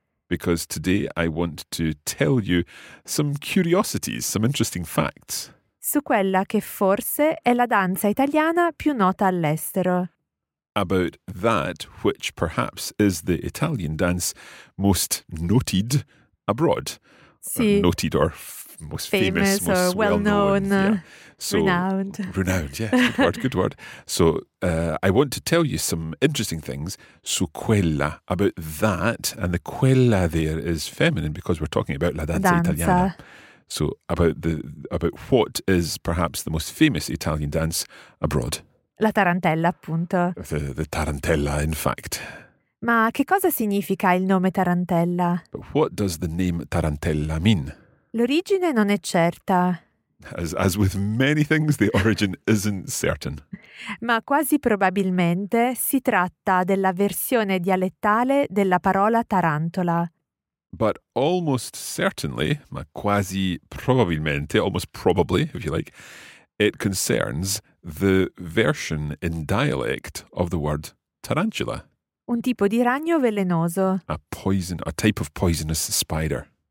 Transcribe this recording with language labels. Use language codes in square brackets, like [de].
[en] Because today I want to tell you some curiosities, some interesting facts. [it] Su quella che forse è la danza italiana più nota all'estero. [en] About that which perhaps is the Italian dance most noted abroad. [it] Sì. [en] Noted or most famous, or most well-known. Yeah. So, renowned. Renowned, yeah. Good word, good word. So I want to tell you some interesting things [it] su quella, [en] about that. And the quella there is feminine because we're talking about la danza italiana. So about what is perhaps the most famous Italian dance abroad. [it] La tarantella, appunto. [en] The tarantella, in fact. [it] Ma che cosa significa il nome tarantella? [en] But what does the name tarantella mean? [it] L'origine non è certa. [en] As with many things, the origin isn't certain. [it] Ma quasi probabilmente si tratta della versione dialettale della parola tarantola. [en] But almost certainly, [it] ma quasi probabilmente, [en] almost probably, if you like, it concerns the version in dialect of the word tarantula. [it] Un tipo di ragno velenoso. [en] A type of poisonous spider.